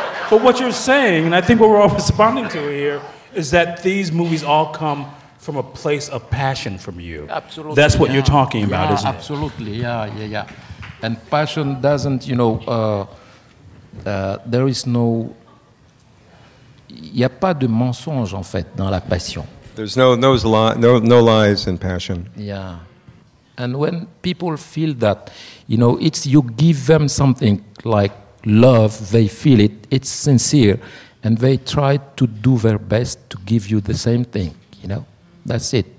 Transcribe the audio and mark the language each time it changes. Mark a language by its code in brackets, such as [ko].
[en] But what you're saying, and I think what we're all responding to here, is that these movies all come from a place of passion from you. Absolutely. That's what you're talking about, isn't absolutely. It? Absolutely, And passion doesn't, you know, there is no... [fr] Il n'y a pas de mensonge, en fait, dans la passion. [en] There's no lies in passion. Yeah. And when people feel that, you know, it's you give them something like love, they feel it, it's sincere, and they try to do their best to give you the same thing, you know? That's it.